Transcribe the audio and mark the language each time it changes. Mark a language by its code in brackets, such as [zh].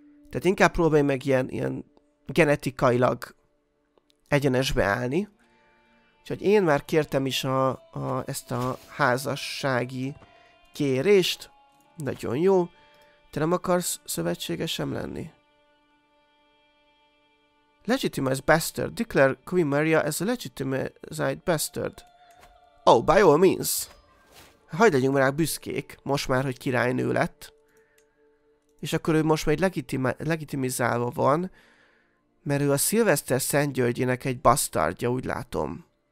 [hu] Tehát inkább próbálj meg ilyen genetikailag egyenesbe állni. Úgyhogy én már kértem is ezt a házassági kérést. Nagyon jó. Te nem akarsz szövetségesem lenni? [en] Legitimized bastard. Declare Queen Maria as a legitimized bastard. Oh, by all means. [hu] Hagyd legyünk rá büszkék, most már, hogy királynő lett. És akkor ő most már egy legitimizálva van, mert ő a Szilveszter Szent Györgyének egy bastardja, úgy látom.